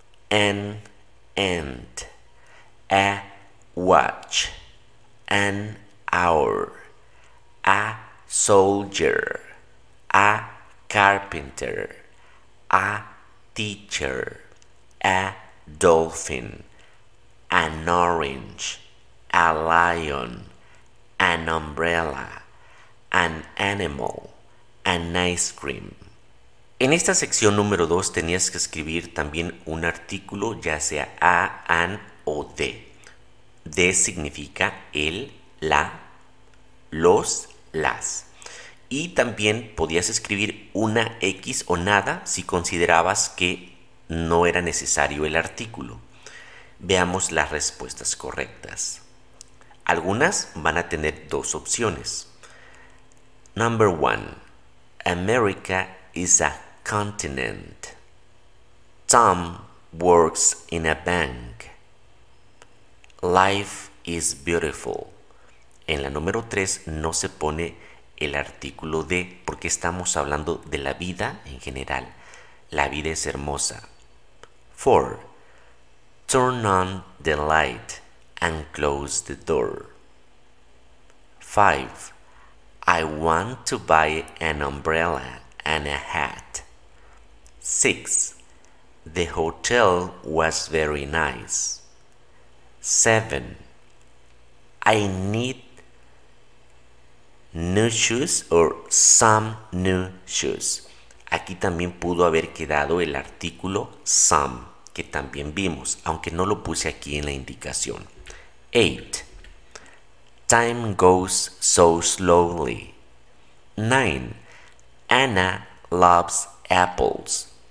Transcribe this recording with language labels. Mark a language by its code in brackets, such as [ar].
[en] An ant, a watch, an hour, a soldier, a carpenter, a teacher, a dolphin, an orange, a lion, an umbrella, an animal, an ice cream. [es] En esta sección número 2 tenías que escribir también un artículo, ya sea a, an o de. De significa el, la, los, las. Y también podías escribir una X o nada si considerabas que no era necesario el artículo. Veamos las respuestas correctas. Algunas van a tener dos opciones. [en] Number one, America is a continent. Tom works in a bank. Life is beautiful. [es] En la número 3 no se pone el artículo de porque estamos hablando de la vida en general. La vida es hermosa. 4. [en] Turn on the light and close the door. 5. I want to buy an umbrella and a hat. 6. The hotel was very nice. 7. I need new shoes or some new shoes. [es] Aquí también pudo haber quedado el artículo some, que también vimos, aunque no lo puse aquí en la indicación. [en] 8. Time goes so slowly. 9. Anna loves apples.